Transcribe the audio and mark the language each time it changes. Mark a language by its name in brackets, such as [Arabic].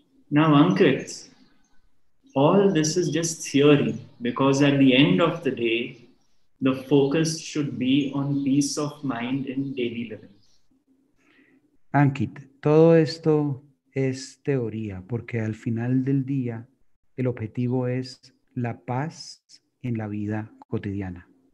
[English] Now, Ankit, all this is just theory, because at the end of the day, the focus should be on peace of mind in daily living. [Spanish] Ankit, todo esto es teoría, porque al final del día, el objetivo es la paz en la vida cotidiana.